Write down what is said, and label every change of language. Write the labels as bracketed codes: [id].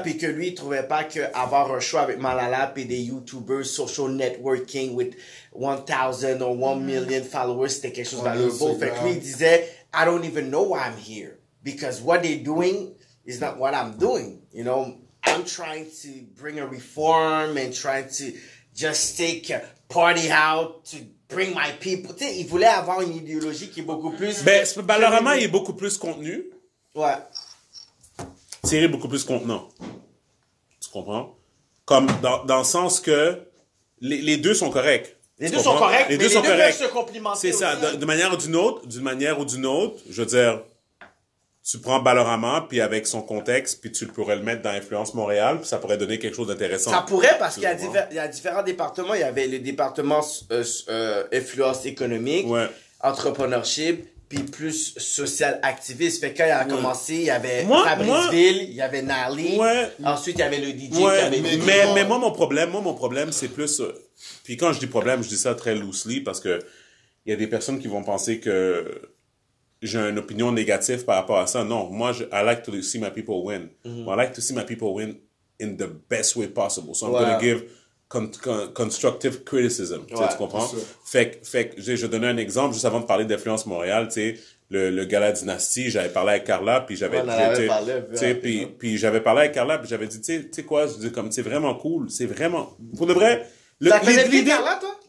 [fr] Puis que lui, il ne trouvait pas qu'avoir un show avec Malala et des YouTubers, [en] social networking with 1,000 or 1 million followers, [fr] c'était quelque chose valable. Fait que lui, il disait, [en] I don't even know why I'm here. Because what they're doing is not what I'm doing, you know? I'm trying to bring a reform and try to just take a party out to bring my people. [fr] Tu sais, il voulait avoir une idéologie qui est beaucoup plus... Ben, le roman, il est beaucoup plus contenu. Ouais. Thierry est beaucoup plus contenant. Tu comprends? Comme dans le sens que les deux sont corrects. Les deux sont corrects, les deux sont corrects. Peuvent se complimenter. C'est aussi. Ça, de manière ou d'une autre, je veux dire, tu prends Ballorama, puis avec son contexte, puis tu pourrais le mettre dans Influence Montréal, puis ça pourrait donner quelque chose d'intéressant. Ça pourrait, parce qu'il y a, il y a différents départements. Il y avait le département Influence économique, ouais. Entrepreneurship, puis plus social activiste. Fait que quand il a commencé, il y avait Fabriceville, il y avait Nali, ensuite il y avait le DJ, Qui avait mais mon problème, c'est plus... Puis quand je dis problème, je dis ça très loosely, parce que il y a des personnes qui vont penser que j'ai une opinion négative par rapport à ça. Non, moi, [en] I like to see my people win. Mm-hmm. I like to see my people win in the best way possible. So I'm going to give constructive criticism. [fr] Tu comprends? Fait que, je vais donner un exemple juste avant de parler d'Influence Montréal. Tu sais, le gala dynastie, j'avais parlé avec Carla, puis j'avais dit, tu sais quoi, je dis comme, c'est vraiment cool. C'est vraiment, pour de vrai, le, t'as connu Carla, toi?